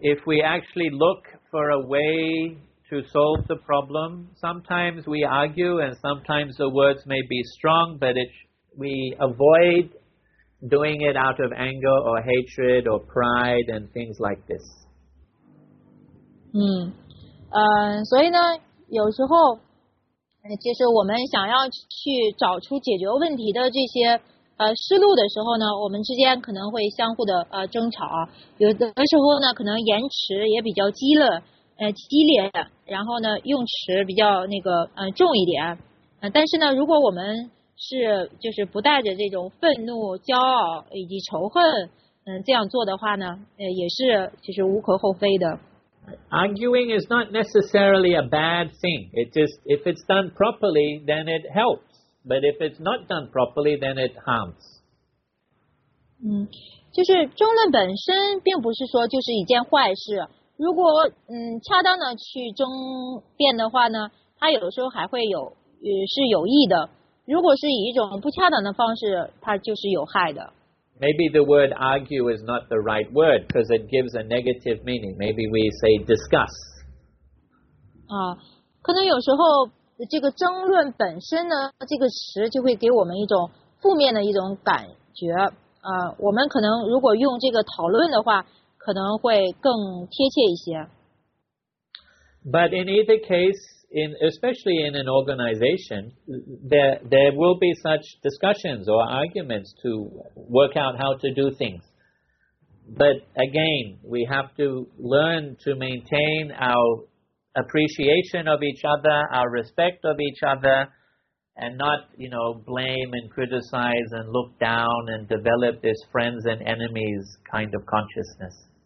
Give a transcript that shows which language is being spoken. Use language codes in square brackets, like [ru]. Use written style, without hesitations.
[en] If we actually look for a way to solve the problem, sometimes we argue and sometimes the words may be strong, but we avoid doing it out of anger or hatred or pride and things like this. [zh] 所以呢，有时候其实我们想要去找出解决问题的这些思路的时候呢，我们之间可能会相互的争吵，有的时候呢可能延迟也比较激烈，然后呢用词比较那个重一点，但是呢如果我们是就是不带着这种愤怒、骄傲以及仇恨这样做的话呢，也是其实无可厚非的。 [en] Arguing is not necessarily a bad thing. It just if it's done properly, then it helps. But if it's not done properly, then it harms. [zh] 就是争论本身并不是说就是一件坏事。如果恰当的去争辩的话呢，它有的时候还会有是有益的。如果是以一种不恰当的方式，它就是有害的。 [en] Maybe the word argue is not the right word because it gives a negative meaning. Maybe we say discuss. [zh] 可能有时候这个争论本身呢，这个词就会给我们一种负面的一种感觉。我们可能如果用这个讨论的话，可能会更贴切一些。 [en] But in either case, especially in an organization, there will be such discussions or arguments to work out how to do things. But again, we have to learn to maintain our appreciation of each other, our respect of each other, and not, you know, blame and criticize and look down and develop this friends and enemies kind of consciousness.